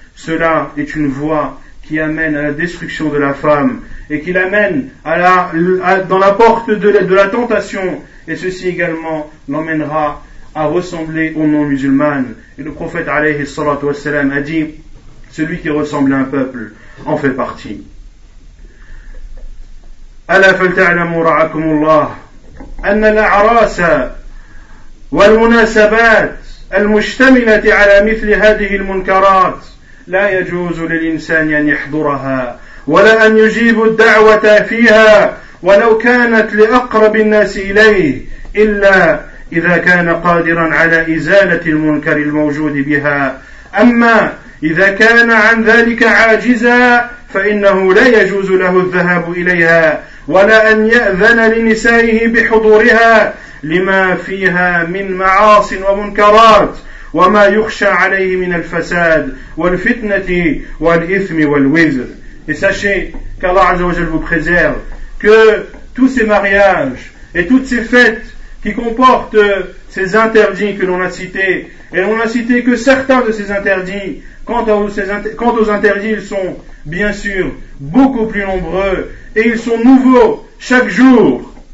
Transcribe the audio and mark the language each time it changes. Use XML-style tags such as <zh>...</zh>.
<fr>Cela est une voie qui amène à la destruction de la femme et qui l'amène dans la porte de la tentation. Et ceci également l'emmènera à ressembler aux non-musulmanes. Et le prophète</fr> <ar>alayhi salatu wassalam</ar> <fr>a dit, celui qui ressemble à un peuple en fait partie.</fr> <ar>ألا فلتعلموا رعاكم الله أن الأعراس والمناسبات المشتملة على مثل هذه المنكرات لا يجوز للإنسان أن يحضرها ولا أن يجيب الدعوة فيها ولو كانت لأقرب الناس إليه إلا إذا كان قادرا على إزالة المنكر الموجود بها أما إذا كان عن ذلك عاجزا فإنه لا يجوز له الذهاب إليها ولا أن يأذن لنسائه بحضورها لما فيها من معاص ومنكرات وما يخشى عليه من الفساد والفتنة والإثم والوزر.</ar> <fr>Et sachez qu'Allah</fr> <ar>Azza wa Jal</ar> <fr>vous préserve que tous ces mariages et toutes ces fêtes qui comportent ces interdits que l'on a cités, et l'on a cité que certains de ces interdits, quant aux interdits, ils sont bien sûr beaucoup plus nombreux et ils sont nouveaux chaque jour.</fr>